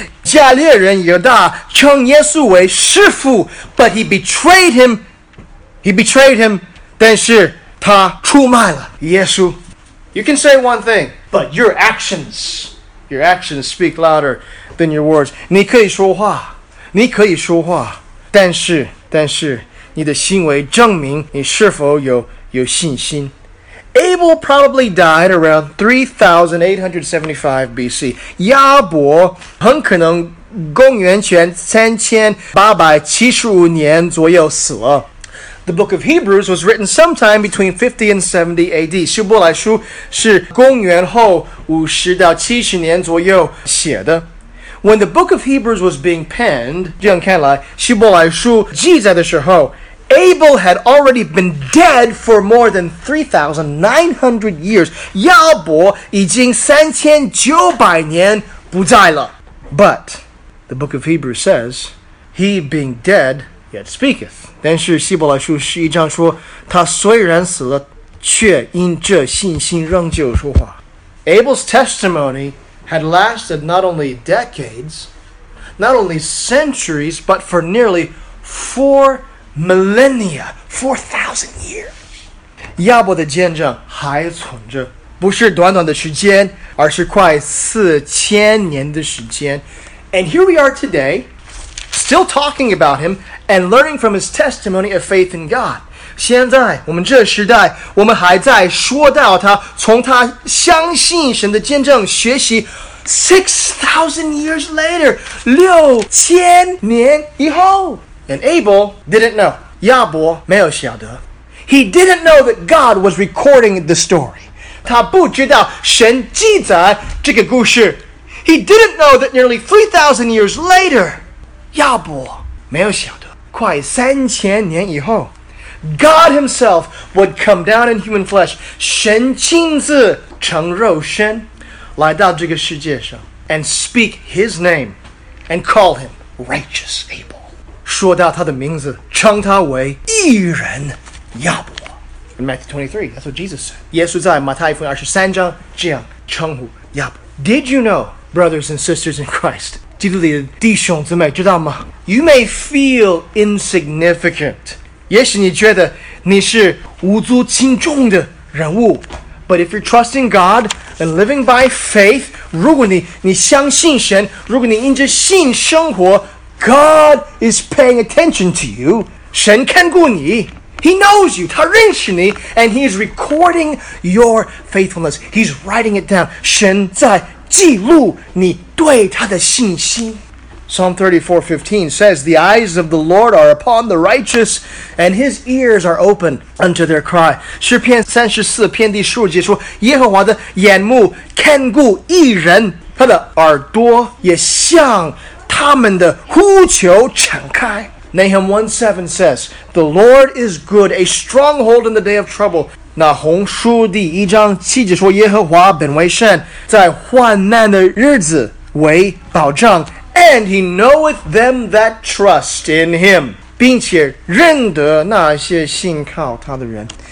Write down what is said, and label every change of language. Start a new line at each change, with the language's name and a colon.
Chinese: 加略人犹大称耶稣为师父
English: but he betrayed him. He betrayed him.
Chinese: 但是他出卖了耶稣。
English: You can say one thing, but your actions speak louder than your words.
Chinese: 你可以说话，你可以说话，但是，但是你的行为证明你是否有信心。
English: Abel probably died around 3875 BC.
Chinese: 亚伯很可能公元前3875年左右死了。
English: The book of Hebrews was written sometime between 50 and 70 AD.
Chinese: 希伯来书是公元后50到70年左右写的。
English: When the book of Hebrews was being penned,
Chinese: 这样看来，希伯来书记载的时候
English: Abel had already been dead for more than 3,900 years.
Chinese: 亚伯已经3,900年不在了。
English: But the book of Hebrews says, he being dead yet speaketh.
Chinese: 但是希伯来书十一章说，他虽然死了，却因这信心仍旧说话。
English: Abel's testimony had lasted not only decades, not only centuries, but for nearly 4,000 years.
Chinese: 亚伯的见证还存着，不是短短的时间，而是快4,000年的时间。
English: And here we are today, still talking about him and learning from his testimony of faith in God.
Chinese: 现在，我们这时代，我们还在说到他，从他相信神的见证学习。
English: 6,000 years later,
Chinese: 6,000年以后。
English: And Abel didn't know.
Chinese: 亚伯没有晓得。
English: He didn't know that God was recording the story.
Chinese: 他不知道神记载这个故事。
English: He didn't know that nearly 3,000 years later,
Chinese: 亚伯没有晓得。快3,000年以后
English: God himself would come down in human flesh.
Chinese: 神亲自成肉身来到这个世界上
English: and speak his name and call him righteous Abel.
Chinese: 说到他的名字，称他为义人亚伯。
English: In Matthew 23, that's what Jesus said.
Chinese: 耶稣在马太福音23章这样称呼亚伯。
English: Did you know, brothers and sisters in Christ,
Chinese: 基督里的弟兄姊妹知道吗？
English: You may feel insignificant.
Chinese: 也许你觉得你是无足轻重的人物。
English: But if you're trusting God and living by faith,
Chinese: 如果你相信神，如果你因着信生活，
English: God is paying attention to you.
Chinese: 神看顾你
English: He knows you.
Chinese: 他认识你
English: And he is recording your faithfulness. He's writing it down.
Chinese: 神在记录你对他的信心
English: Psalm 34:15 says, The eyes of the Lord are upon the righteous, and his ears are open unto their cry.
Chinese: 诗篇34篇第15节说耶和华的眼目看顾义人他的耳朵也向他们的呼求敞开。
English: Nahum 1:7 says, The Lord is good, a stronghold in the day of trouble.
Chinese: 那红书第一章七节说耶和华本为善在患难的日子为保障。
English: And he knoweth them that trust in him.
Chinese: 并且认得那些信靠他的人。